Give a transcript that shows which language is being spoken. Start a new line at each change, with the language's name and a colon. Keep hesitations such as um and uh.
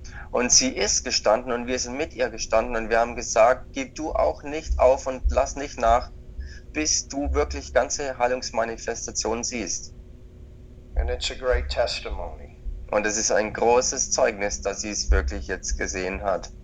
German: und sie ist gestanden und wir sind mit ihr gestanden und wir haben gesagt, gib du auch nicht auf und lass nicht nach, bis du wirklich ganze Heilungsmanifestationen siehst.
English: And it's a great testimony.
German: Und es ist ein großes Zeugnis, dass sie es wirklich jetzt gesehen hat.